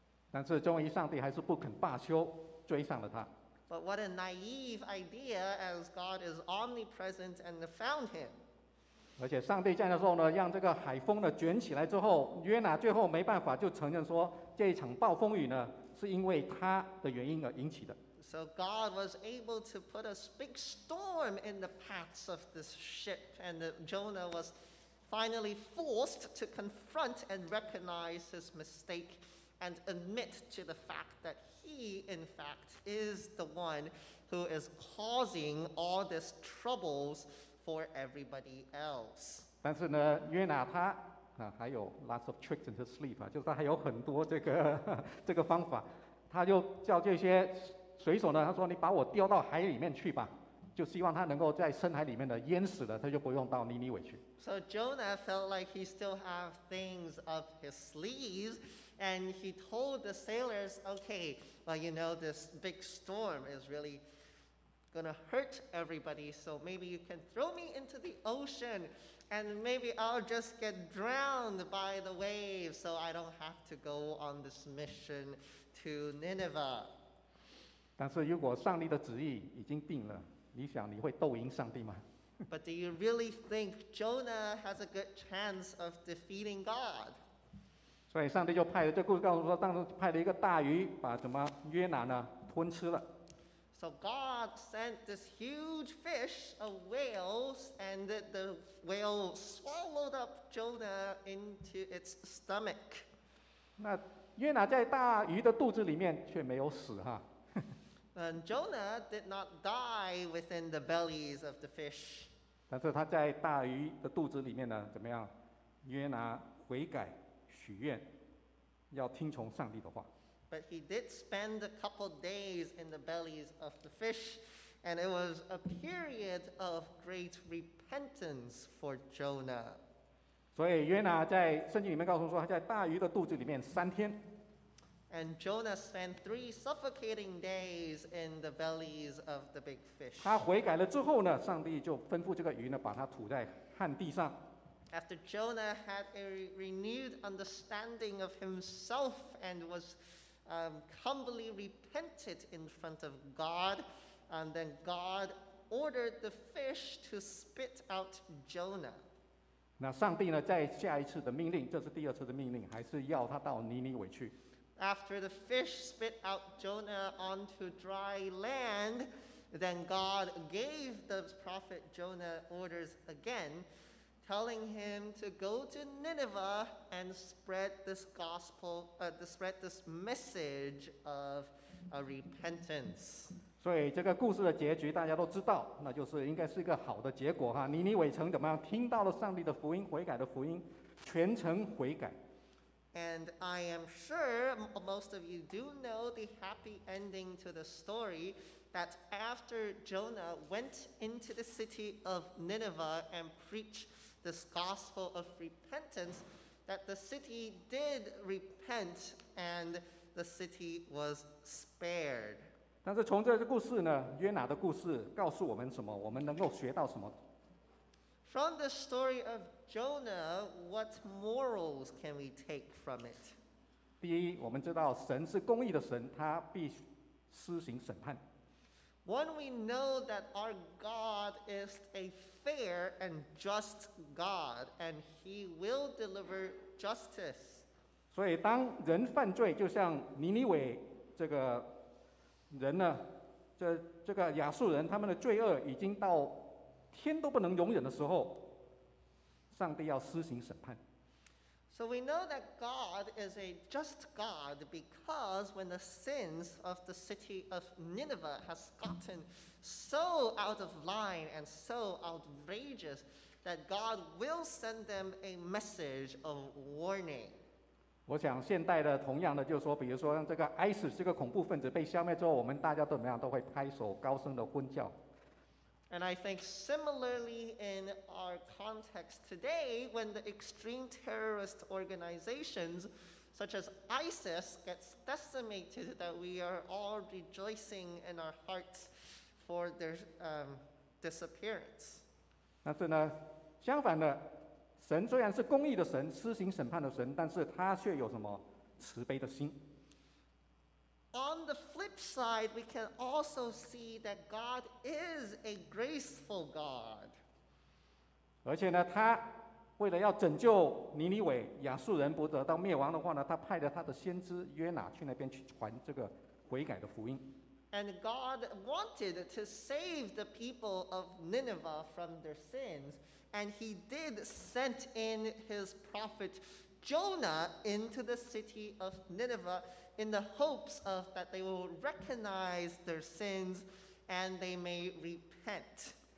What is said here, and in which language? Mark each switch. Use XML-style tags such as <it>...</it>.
<zh>但是终于上帝还是不肯罢休，追上了他。</zh> <en>But what a naive idea, as God is omnipresent and found him.</en> <zh>而且上帝在的时候呢，让这个海风呢卷起来之后，约拿最后没办法就承认说，这一场暴风雨呢，是因为他的原因而引起的。</zh> <en>So God was able to put a big storm in the paths of this ship, and Jonah was finally forced to confront and recognize his mistake and admit to the fact that he, in fact, is the one who is causing all these troubles for everybody else.</en> <zh>但是呢，约拿他还有</zh> <en>lots of tricks in his sleeve</en> <zh>就是他还有很多这个方法，他就叫这些水手呢，他说你把我丢到海里面去吧，就希望他能够在深海里面的淹死了，他就不用到尼尼微去。</zh> <en>So Jonah felt like he still have things up his sleeves, and he told the sailors, okay, well, you know, this big storm is really going to hurt everybody, so maybe you can throw me into the ocean, and maybe I'll just get drowned by the waves, so I don't have to go on this mission to Nineveh.</en> <zh>但是如果上帝的旨意已经定了，你想你会斗赢上帝吗？</zh> <en>But do you really think Jonah has a good chance of defeating God?</en> <zh>所以上帝就派了，这故事告诉说，当时派了一个大鱼，把什么约拿呢吞吃了。</zh> <en>So God sent this huge fish of whales, and the whale swallowed up Jonah into its stomach.</en> <zh>那约拿在大鱼的肚子里面却没有死哈。</zh> <en>And Jonah did not die within the bellies of the fish.</en> <zh>但是他在大鱼的肚子里面呢，怎么样？约拿悔改，许愿，要听从上帝的话。</zh> <en>But he did spend a couple days in the bellies of the fish, and it was a period of great repentance for Jonah.</en> <zh>所以约拿在圣经里面告诉说，他在大鱼的肚子里面三天。</zh> <en>And Jonah spent 3 suffocating days in the bellies of the big fish.</en> <zh>他悔改了之后呢，上帝就吩咐这个鱼呢，把它吐在旱地上。</zh> <en>After Jonah had a renewed understanding of himself and was humbly repented in front of God, and then God ordered the fish to spit out Jonah.</en> <zh>那上帝呢，在下一次的命令，这是第二次的命令，还是要他到尼尼微去。</zh> <en>After the fish spit out Jonah onto dry land, then God gave the prophet Jonah orders again, telling him to go to Nineveh and spread this gospel, spread this message of a repentance.</en> <zh>所以这个故事的结局大家都知道，那就是应该是一个好的结果哈。尼尼微城怎么样？听到了上帝的福音，悔改的福音，全城悔改。</zh> <en>And I am sure most of you do know the happy ending to the story, that after Jonah went into the city of Nineveh and preached this gospel of repentance, that the city did repent and the city was spared.</en> <zh>但是从这个故事呢，约拿的故事告诉我们什么？我们能够学到什么？</zh> <en>From the story of Jonah, what morals can we take from it?</en> <zh>第一，我们知道神是公义的神，他必施行审判。</zh> <en>One, we know that our God is a fair and just God, and he will deliver justice.</en> <zh>所以当人犯罪，就像尼尼微这个人呢，这个亚述人，他们的罪恶已经到天都不能容忍的时候，上帝要施行审判。</zh> <en>So we know that God is a just God because when the sins of the city of Nineveh has gotten so out of line and so outrageous that God will send them a message of warning.</en> <zh>我想现代的同样的就是说，比如说这个 ISIS 这个恐怖分子被消灭之后，我们大家怎么样都会拍手高声的欢叫。</zh> <en>And I think similarly in our context today, when the extreme terrorist organizations such as ISIS gets decimated, that we are all rejoicing in our hearts for their disappearance.</en> <zh>但是呢，相反的，神虽然是公义的神，施行审判的神，但是他却有什么慈悲的心。</zh> <en>On the flip side, we can also see that God is a graceful God.</en> <zh>而且呢，他为了要拯救尼尼微亚述人不得到灭亡的话呢，他派了他的先知约拿去那边去传这个悔改的福音。</zh> <en>And God wanted to save the people of Nineveh from their sins, and he did send in his prophet Jonah into the city of Nineveh in the hopes of that they will recognize their sins and they may repent.</en>